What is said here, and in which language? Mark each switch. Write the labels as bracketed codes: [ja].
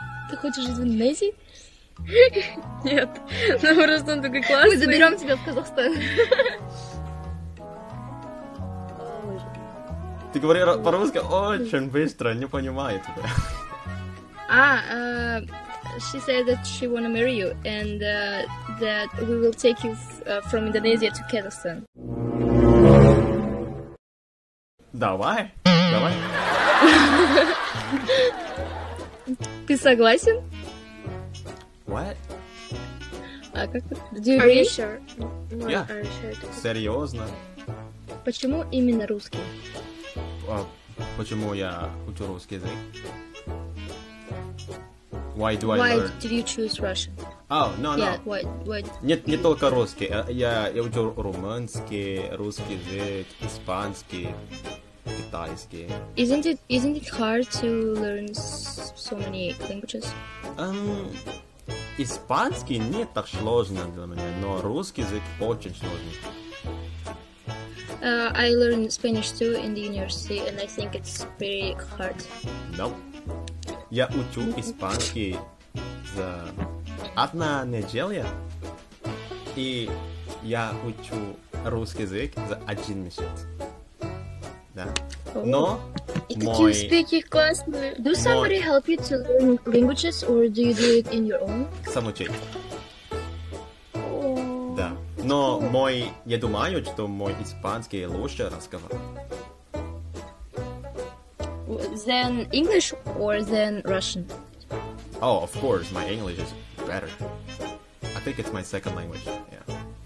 [ru] Ты хочешь жить в Индонезии? Нет, ну просто он такой классный. Мы заберем тебя в Казахстан. Ты говори по-русски очень быстро, не понимаю тебя. [en] А, she said that she wanna marry you and that we will take you from Indonesia to Kazakhstan. [ru] Давай, давай. Ты согласен? [en] What? [ru] А как? [en] Are you sure? Yeah. [ru] Серьезно? Почему именно русский? Почему я учу русский язык? [en] Why do why I learn? Why did you choose Russian? Oh, no, yeah, no. Why? [ru] Нет, не только русский. Я учу румынский, русский язык, испанский, китайский. [en] Isn't it hard to learn so many languages? [ru] Испанский не так сложно для меня, но русский язык очень сложный. [en] I learned Spanish too in the university, and I think it's pretty hard. Nope. [ru] Я учу испанский за одна неделя, и я учу русский язык за один месяц. Да. Но мой... [en] You speak it [ru] классно. [en] Do somebody help you to learn languages, or do you do it in your own? [ru] Сам учить. Да. Но мой... Я думаю, что мой испанский лучше разговаривает. [en] Than English or than Russian? Oh, of course, my English is better. I think it's my second language, yeah.